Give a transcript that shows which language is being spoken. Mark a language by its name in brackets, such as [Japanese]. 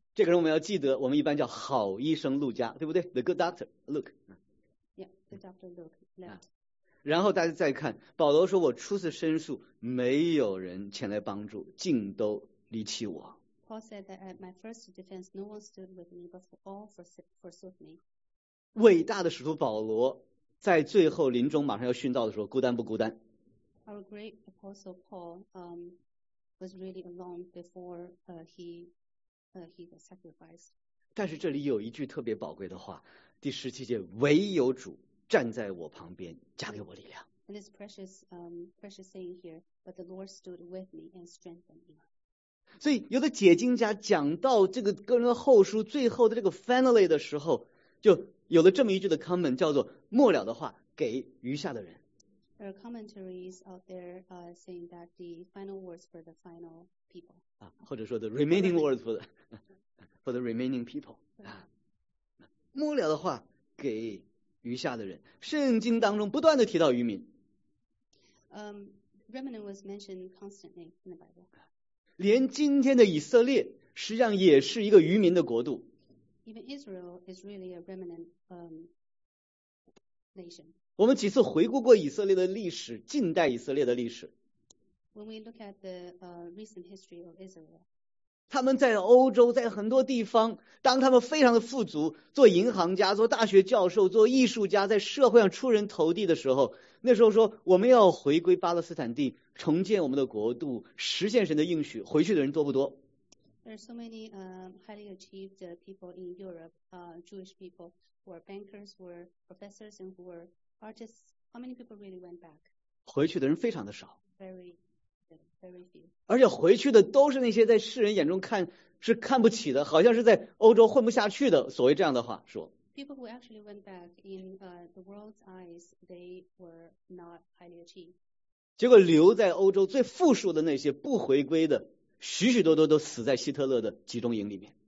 [Chinese] 这个人我们要记得，我们一般叫好医生路加，对不对 ？ [English] The good doctor, Luke. Yeah, the doctor Luke left. [Chinese] 然后大家再看，保罗说我初次申诉，没有人前来帮助，竟都离弃我。 [English] Paul said that at my first defense, no one stood with me, but all forsook me. [Chinese] 伟大的使徒保罗在最后临终马上要殉道的时候，孤单不孤单 [English] ？Our great apostle Paul, was really alone before he was sacrificed. [Chinese] 但是这里有一句特别宝贵的话，第十七节，唯有主站在我旁边，加给我力量。 [English] And this precious saying here, but the Lord stood with me and strengthened me. [Chinese] 所以有的解经家讲到这个哥林多后书最后的这个 finally 的时候，就有了这么一句的 comment， 叫做末了的话给余下的人。 [English] There are commentaries out there saying that the final words for the final people. [Chinese] 或者说 [English] the remaining words for the remaining people. [Chinese] 末了的话给余下的人，圣经当中不断的提到余民。 [English] Remnant was mentioned constantly in the Bible. [Chinese] 连今天的以色列实际上也是一个余民的国度。 [English] Even Israel is really a remnant nation. [Chinese] 我们几次回顾过以色列的历史，近代以色列的历史。 [English] When we look at the recent history of Israel. [Chinese] 他们在欧洲，在很多地方，当他们非常的富足，做银行家，做大学教授，做艺术家，在社会上出人头地的时候，那时候说我们要回归巴勒斯坦地，重建我们的国度，实现神的应许，回去的人多不多？ [English] There are so many highly achieved people in Europe, Jewish people who are bankers, who are professors, and who are artists. How many people really went back? [Chinese] 回去的人非常的少。 [English] Very few. [Chinese] 而且回去的都是那些在世人眼中看是看不起的，好像是在欧洲混不下去的，所谓这样的话说。 [English] People who actually went back in the world's eyes, they were not highly achieved. [Chinese] 结果留在欧洲最富庶的那些不回归的，许许多多都死在希特勒的集中营里面。